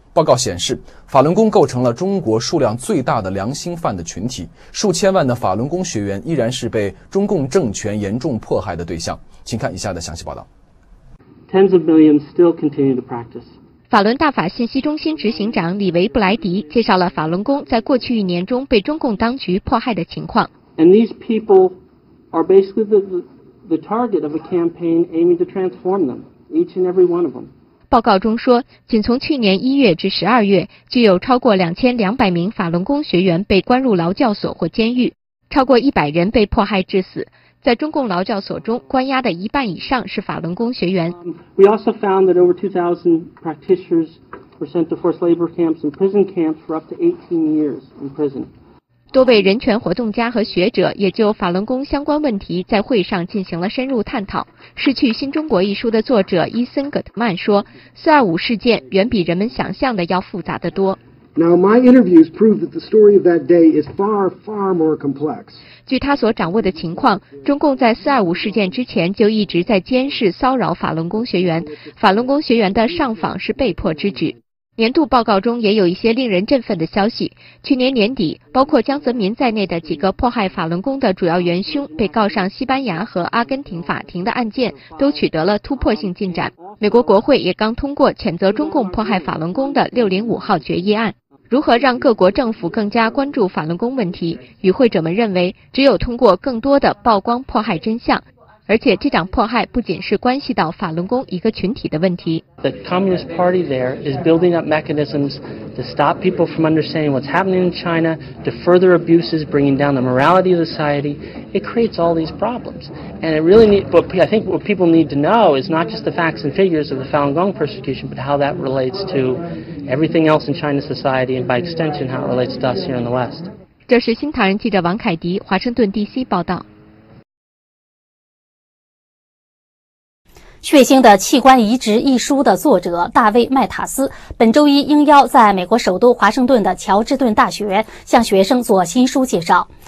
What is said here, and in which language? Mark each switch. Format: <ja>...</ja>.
<zh>报告显示，法轮功构成了中国数量最大的良心犯的群体，数千万的法轮功学员依然是被中共政权严重迫害的对象。请看以下的详细报道。</zh> <en>Tens of millions still continue to practice.</en> <zh>法轮大法信息中心执行长李维布莱迪介绍了法轮功在过去一年中被中共当局迫害的情况。</zh> <en>And these people are basically the target of a campaign aiming to transform them, each and every one of them.</en> <zh>报告中说，仅从去年1月至12月，就有超过2200名法轮功学员被关入劳教所或监狱，超过100人被迫害致死。在中共劳教所中，关押的一半以上是法轮功学员。</zh> <en>We also found that over 2,000 practitioners were sent to forced labor camps and prison camps for up to 18 years in prison.</en> <zh>多位人权活动家和学者也就法轮功相关问题在会上进行了深入探讨。 《失去新中国》一书的作者伊森·葛特曼说，四二五事件远比人们想象的要复杂得多。</zh> <en>Now my interviews prove that the story of that day is far, far more complex.</en> <zh>据他所掌握的情况，中共在四二五事件之前就一直在监视、骚扰法轮功学员。法轮功学员的上访是被迫之举。年度报告中也有一些令人振奋的消息。去年年底，包括江泽民在内的几个迫害法轮功的主要元凶被告上西班牙和阿根廷法庭的案件都取得了突破性进展。美国国会也刚通过谴责中共迫害法轮功的605号决议案。如何让各国政府更加关注法轮功问题？与会者们认为，只有通过更多的曝光迫害真相。而且这场迫害不仅是关系到法轮功一个群体的问题。</zh> <en>The Communist Party there is building up mechanisms to stop people from understanding what's happening in China, to further abuses, bringing down the morality of society. It creates all these problems. And it really need, but I think what people need to know is not just the facts and figures of the Falun Gong persecution, but how that relates to everything else in China society, and by extension, how it relates to us here in the West.</en> <zh>这是新唐人记者王凯迪，华盛顿 DC 报道。血腥的器官移植一书的作者大卫·麦塔斯本周一应邀在美国首都华盛顿的乔治顿大学向学生做新书介绍。</zh>